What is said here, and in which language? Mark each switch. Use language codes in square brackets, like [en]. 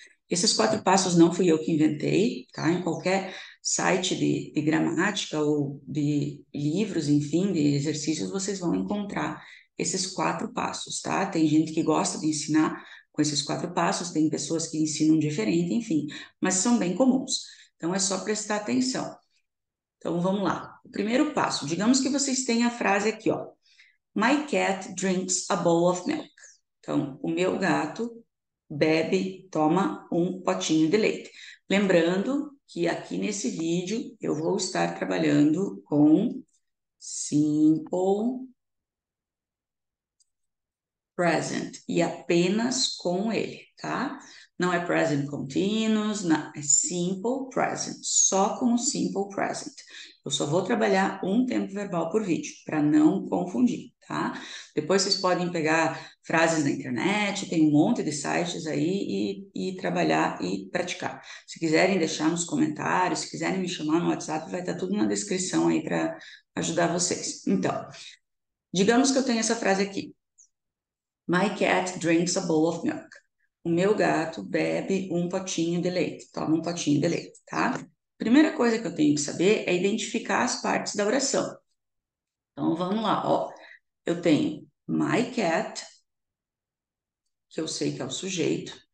[pt] Esses quatro passos não fui eu que inventei, tá? Em qualquer site de gramática ou de livros, enfim, de exercícios, vocês vão encontrar esses quatro passos, tá? Tem gente que gosta de ensinar com esses quatro passos, tem pessoas que ensinam diferente, enfim, mas são bem comuns. Então, é só prestar atenção. Então, vamos lá. O primeiro passo, digamos que vocês tenham a frase aqui, ó. [en] My cat drinks a bowl of milk. [pt] Então, o meu gato bebe, toma um potinho de leite. Lembrando que aqui nesse vídeo eu vou estar trabalhando com simple Present e apenas com ele, tá? Não é present continuous, não. É simple present, só com o simple present. Eu só vou trabalhar um tempo verbal por vídeo, para não confundir, tá? Depois vocês podem pegar frases na internet, tem um monte de sites aí e trabalhar e praticar. Se quiserem deixar nos comentários, se quiserem me chamar no WhatsApp, vai estar tudo na descrição aí para ajudar vocês. Então, digamos que eu tenho essa frase aqui. [en] My cat drinks a bowl of milk. [pt] O meu gato bebe um potinho de leite, toma um potinho de leite, tá? Primeira coisa que eu tenho que saber é identificar as partes da oração. Então vamos lá, ó. Eu tenho my cat, que eu sei que é o sujeito.